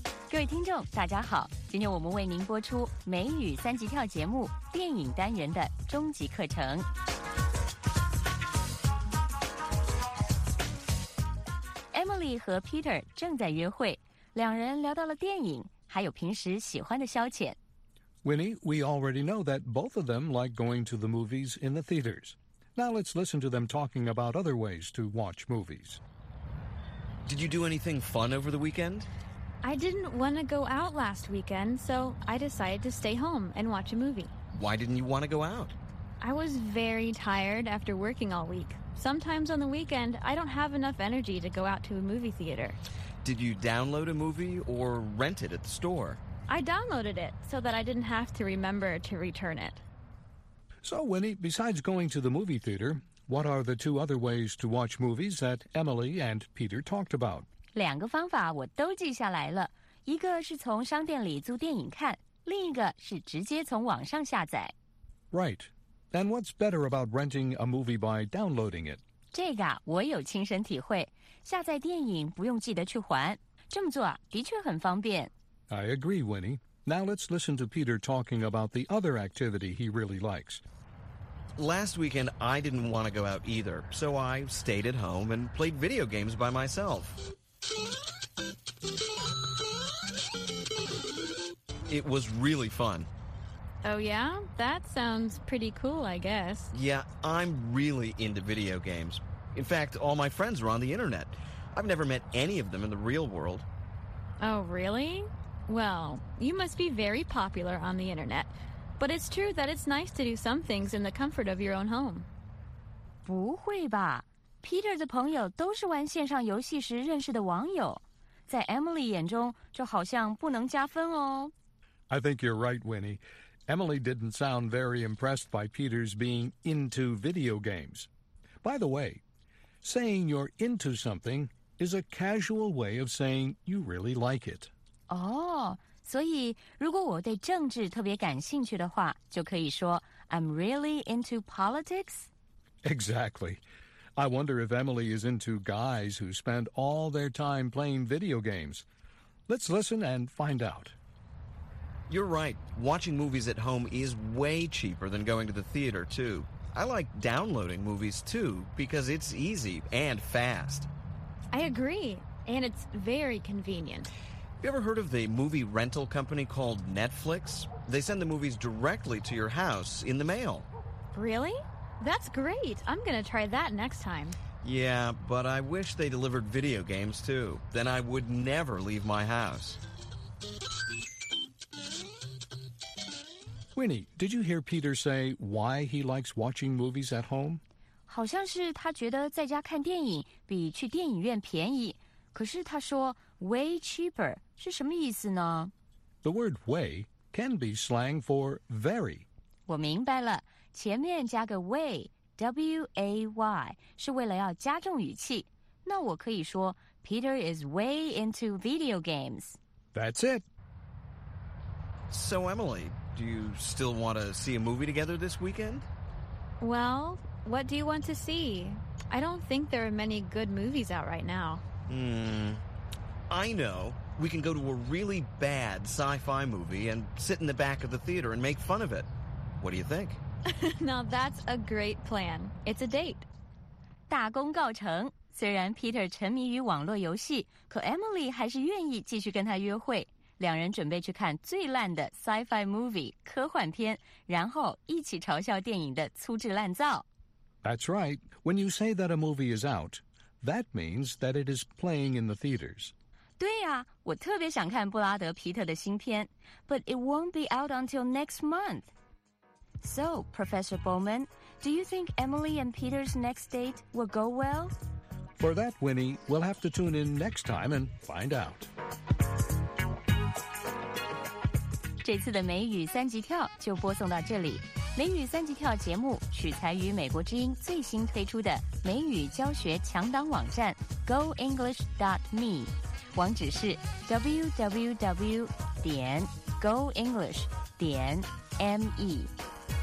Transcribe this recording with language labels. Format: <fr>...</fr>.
<zh>各位听众大家好，今天我们为您播出美语三级跳节目电影单元的终极课程。 Emily 和 Peter 正在约会，两人聊到了电影，还有平时喜欢的消遣。</zh> <en>Winnie, we already know that both of them like going to the movies in the theaters. Now let's listen to them talking about other ways to watch movies. Did you do anything fun over the weekend? I didn't want to go out last weekend, so I decided to stay home and watch a movie. Why didn't you want to go out? I was very tired after working all week. Sometimes on the weekend, I don't have enough energy to go out to a movie theater. Did you download a movie or rent it at the store? I downloaded it so that I didn't have to remember to return it. So, Winnie, besides going to the movie theater, what are the two other ways to watch movies that Emily and Peter talked about?</en> <zh>两个方法我都记下来了。一个是从商店里租电影看，另一个是直接从网上下载。</zh> <en>Right. And what's better about renting a movie by downloading it?</en> <zh>这个我有亲身体会。下载电影不用记得去还。这么做的确很方便。</zh> <en>I agree, Winnie. Now let's listen to Peter talking about the other activity he really likes. Last weekend, I didn't want to go out either, so I stayed at home and played video games by myself. It was really fun. Oh, yeah? That sounds pretty cool, I guess. Yeah, I'm really into video games. In fact, all my friends are on the internet. I've never met any of them in the real world. Oh, really? Well, you must be very popular on the internet. But it's true that it's nice to do some things in the comfort of your own home.</en> <zh>不会吧。 Peter 的朋友都是玩线上游戏时认识的网友。在 Emily 眼中就好像不能加分哦。</zh> <en>I think you're right, Winnie. Emily didn't sound very impressed by Peter's being into video games. By the way, saying you're into something is a casual way of saying you really like it.</en> <zh>所以如果我对政治特别感兴趣的话，就可以说</zh> <en>I'm really into politics? Exactly. I wonder if Emily is into guys who spend all their time playing video games. Let's listen and find out. You're right. Watching movies at home is way cheaper than going to the theater, too. I like downloading movies, too, because it's easy and fast. I agree. And it's very convenient. You ever heard of the movie rental company called Netflix? They send the movies directly to your house in the mail. Really? That's great. I'm going to try that next time. Yeah, but I wish they delivered video games too. Then I would never leave my house. Winnie, did you hear Peter say why he likes watching movies at home?</en> <zh>好像是他觉得在家看电影比去电影院便宜。可是他说 way cheaper是什么意思呢?</zh> <en>The word way can be slang for very.</en> <zh>我明白了。前面加个 way, W-A-Y, 是为了要加重语气。那我可以说</zh> <en>Peter is way into video games. That's it. So, Emily, do you still want to see a movie together this weekend? Well, what do you want to see? I don't think there are many good movies out right now. I know. We can go to a really bad sci-fi movie and sit in the back of the theater and make fun of it. What do you think? Now that's a great plan. It's a date.</en> <zh>大功告成。虽然 Peter 沉迷于网络游戏，可 Emily 还是愿意继续跟他约会。两人准备去看最烂的 sci-fi movie 科幻片，然后一起嘲笑电影的粗制滥造。</zh> <en>That's right. When you say that a movie is out, that means that it is playing in the theaters.</en> <zh>对呀、啊，我特别想看布拉德皮特的新片 ，</zh> <en>But it won't be out until next month. So, Professor Bowman, do you think Emily and Peter's next date will go well? For that, Winnie, we'll have to tune in next time and find out.</en> <zh>这次的美语三级跳就播送到这里。美语三级跳节目取材于美国之音最新推出的美语教学强档网站 GoEnglish.me。网址是 www.goenglish.me。</zh>